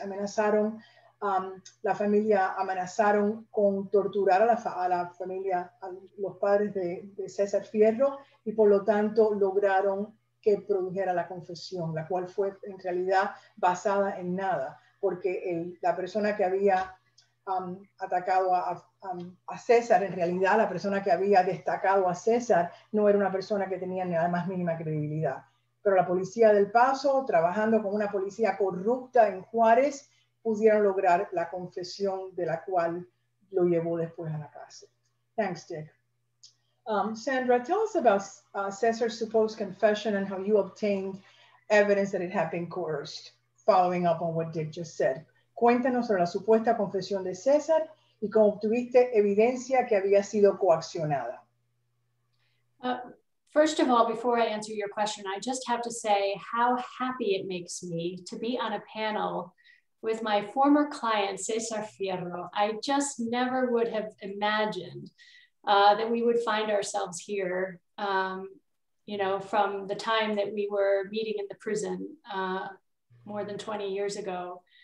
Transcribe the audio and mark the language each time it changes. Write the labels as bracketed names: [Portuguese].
[Spanish] Amenazaron, la familia amenazaron con torturar a los padres de César Fierro y por lo tanto lograron que produjera la confesión, la cual fue en realidad basada en nada, porque la persona que había atacado a César, en realidad la persona que había destacado a César no era una persona que tenía ni la más mínima credibilidad. Pero la policía del Paso, trabajando con una policía corrupta en Juárez, pudieron lograr la confesión de la cual lo llevó después a la cárcel. [English] Thanks, Dick. Sandra, tell us about César's supposed confession and how you obtained evidence that it had been coerced, following up on what Dick just said. [Spanish] Cuéntanos sobre la supuesta confesión de César y cómo obtuviste evidencia que había sido coaccionada. [English] First of all, before I answer your question, I just have to say how happy it makes me to be on a panel with my former client, César Fierro. I just never would have imagined that we would find ourselves here, from the time that we were meeting in the prison more than 20 years ago.